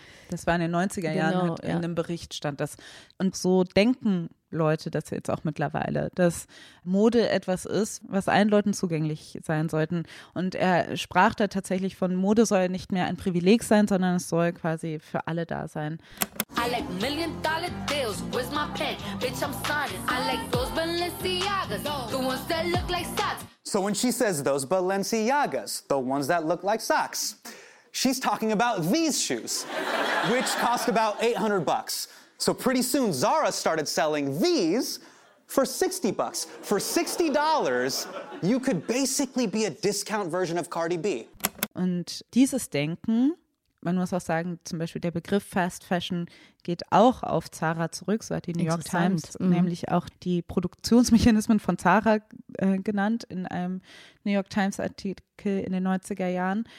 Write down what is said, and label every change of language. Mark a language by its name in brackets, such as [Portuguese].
[German] das war in den 90er Jahren, in einem Bericht stand das. Und so denken Leute das jetzt auch mittlerweile, dass Mode etwas ist, was allen Leuten zugänglich sein sollten. Und er sprach da tatsächlich von, Mode soll nicht mehr ein Privileg sein, sondern es soll quasi für alle da sein. [English] I like $1 million deals, where's my pen? Bitch, I'm signing. I like those Balenciagas, the ones that look like socks. So when she says those Balenciagas, the ones that look like socks, she's talking about these shoes, which cost about $800. So pretty soon Zara started selling these for $60. For $60, you could basically be a discount version of Cardi B. [German] Und dieses Denken, man muss auch sagen, zum Beispiel der Begriff Fast Fashion geht auch auf Zara zurück, so hat die New York Times nämlich auch die Produktionsmechanismen von Zara genannt in einem New York Times Artikel in den 90er Jahren.